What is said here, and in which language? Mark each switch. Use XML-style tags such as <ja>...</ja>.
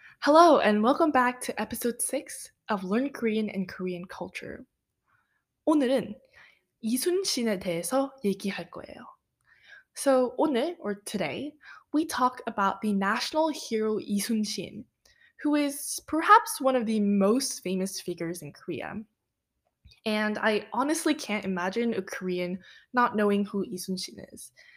<en>Hello, and welcome back to episode 6 of Learn Korean and Korean Culture.</en> <ko>오늘은 이순신에 대해서 얘기할 거예요.</ko> <en>So, 오늘, or today, we talk about the national hero 이순신, who is perhaps one of the most famous figures in Korea. And I honestly can't imagine a Korean not knowing who 이순신 is.</en>